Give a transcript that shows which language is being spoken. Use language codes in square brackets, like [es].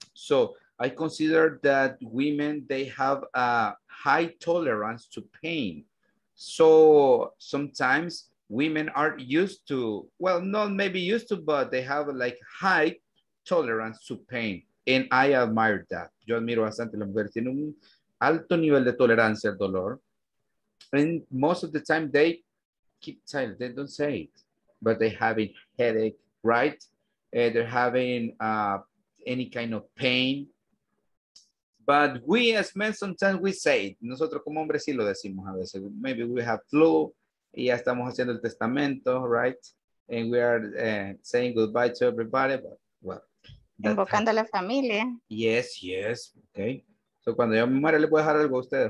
[en] So I consider that women, they have a high tolerance to pain. So sometimes women are used to, well, not maybe used to, but they have like high tolerance to pain. And I admire that. [es] Yo admiro bastante las mujeres. Tienen un alto nivel de tolerancia al dolor. [en] And most of the time they keep silent, they don't say it, but they're having headache, right? They're having any kind of pain. But we as men sometimes we say it. [es] Nosotros como hombres sí lo decimos a veces. [en] Maybe we have flu [es] y ya estamos haciendo el testamento, [en] right? And we are saying goodbye to everybody. But, well, [es] invocando a la familia. [en] Yes, yes, okay. [es] So cuando yo me muera le puedo dejar algo a ustedes.